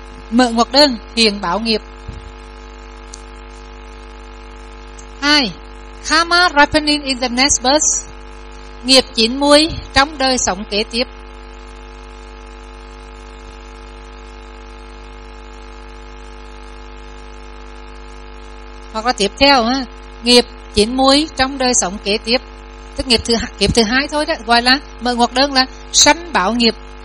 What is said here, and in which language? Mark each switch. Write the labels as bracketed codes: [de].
[vi] Mở ngoặc đơn, hiện báo nghiệp. [en] Hai, karma ripening in the next birth. [vi] Nghiệp chín muối trong đời sống kế tiếp. Hoặc là tiếp theo ha, nghiệp chín muối trong đời sống kế tiếp, tức nghiệp thứ hai thôi đó, gọi là mở ngoặc đơn là sanh bảo nghiệp.